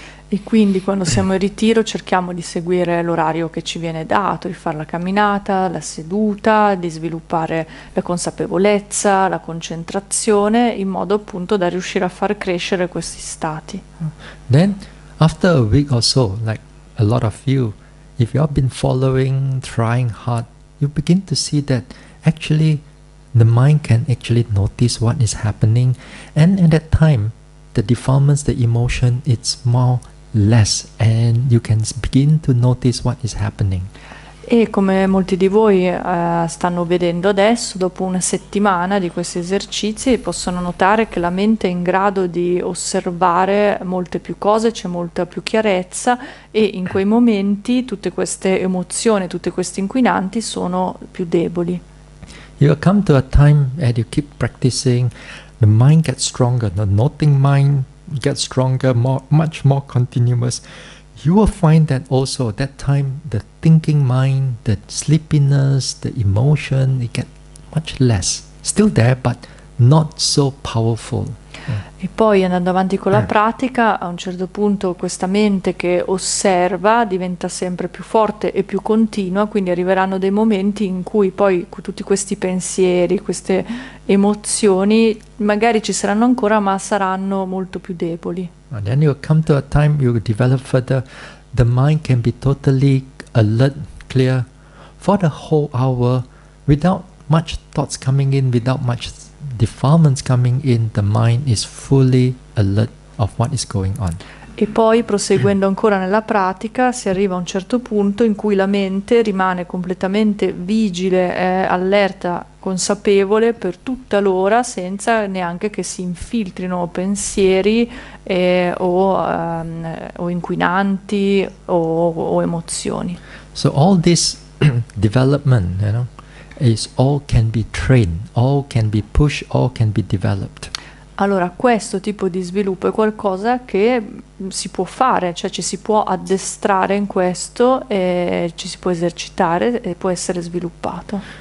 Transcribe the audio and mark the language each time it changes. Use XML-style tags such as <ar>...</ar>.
<it>E quindi quando siamo in ritiro cerchiamo di seguire l'orario che ci viene dato, di fare la camminata, la seduta, di sviluppare la consapevolezza, la concentrazione, in modo appunto da riuscire a far crescere questi stati.</it> <en>Then, after a week or so, like a lot of you, if you have been following, trying hard, you begin to see that actually the mind can actually notice what is happening, and at that time, the defilements, the emotion, it's more less, and you can begin to notice what is happening.</en> <it>E come molti di voi stanno vedendo adesso, dopo una settimana di questi esercizi, possono notare che la mente è in grado di osservare molte più cose, c'è molta più chiarezza, e in quei momenti tutte queste emozioni, tutti questi inquinanti sono più deboli.</it> <en>You come to a time and you keep practicing. The mind gets stronger, the noting mind gets stronger, much more continuous. You will find that also at that time, the thinking mind, the sleepiness, the emotion, it gets much less. Still there, but not so powerful.</en> <it>E poi andando avanti con la pratica, a un certo punto questa mente che osserva diventa sempre più forte e più continua, quindi arriveranno dei momenti in cui poi tutti questi pensieri, queste emozioni, magari ci saranno ancora, ma saranno molto più deboli.</it> <en>And then you come to a time you develop further, the mind can be totally alert, clear for the whole hour without much thoughts coming in, without much defilements coming in, the mind is fully alert of what is going on.</en> <it>E poi, proseguendo ancora nella pratica, si arriva a un certo punto in cui la mente rimane completamente vigile, allerta, consapevole per tutta l'ora, senza neanche che si infiltrino pensieri o inquinanti o emozioni.</it> <en>So all this development, you know, is all can be trained, all can be pushed, all can be developed.</en> <it>Allora, questo tipo di sviluppo è qualcosa che si può fare, cioè ci si può addestrare in questo, e ci si può esercitare e può essere sviluppato.</it>